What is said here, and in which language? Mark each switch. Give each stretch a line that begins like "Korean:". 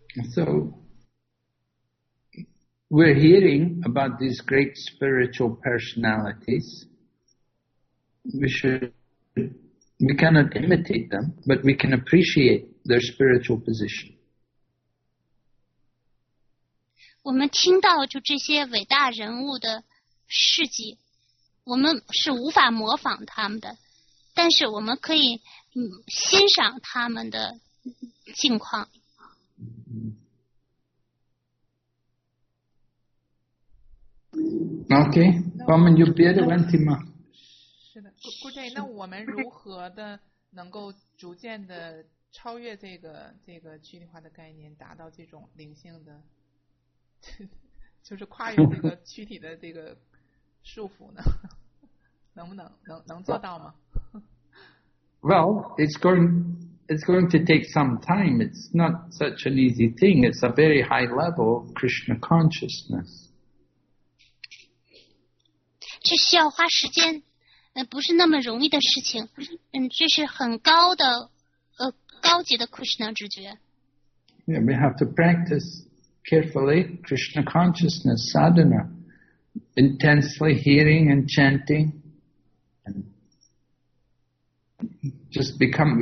English: So, we're hearing about these great spiritual personalities. We cannot imitate them, but we can appreciate their spiritual position.
Chinese: 我们听到就这些伟大人物的事迹，我们是无法模仿他们的，但是我们可以欣赏他们的境况。
English: Okay, Paman, you bear the Vantima.
Chinese: 是的，顾正，那我们如何的能够逐渐的超越这个躯体化的概念，达到这种灵性的，就是跨越这个躯体的这个束缚呢？能做到吗
English: ？Well, it's going to take some time. It's not such an easy thing. It's a very high level of Krishna consciousness.
Chinese: 这需要花时间，不是那么容易的事情。这是很高的，高级的 Krishna 直觉。
English: Yeah, we have to practice carefully Krishna consciousness sadhana, intensely hearing and chanting, and just become.